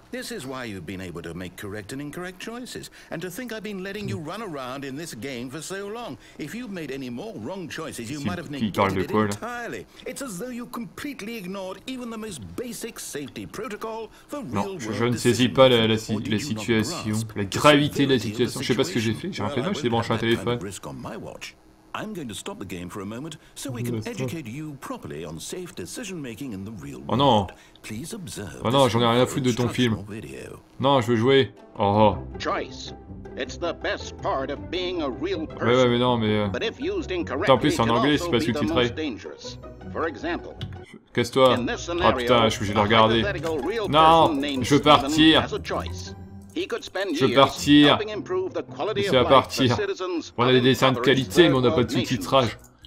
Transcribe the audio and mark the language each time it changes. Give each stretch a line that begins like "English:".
English: This is why you've been able to make correct and incorrect choices. And to think I've been letting you run around in this game for so long. If you've made any more wrong choices, you might have negated it entirely. It's as though you completely ignored even the most basic safety protocol for real world.
French: Je ne saisis pas la situation, la gravité de la situation. Je sais pas ce que j'ai fait. J'ai rien fait de mal, j'ai branché un téléphone.
English: I'm going to stop the game for a moment so we can educate you properly on safe decision making in the real world.
French: Oh non.
English: Please observe.
French: Oh non, j'en ai rien à foutre de ton film. Non, je veux jouer. Oh. Choice.
English: It's the best part of being a real person.
French: Ouais, mais non, mais
English: But if used incorrectly,
French: tant pis, en anglais, c'est pas sous-titré.
English: For example.
French: Casse-toi. Ah putain, je suis obligé de regarder. Non, je veux partir. Je veux partir. C'est à partir. On a des dessins de qualité, mais on n'a pas de sous-titrage.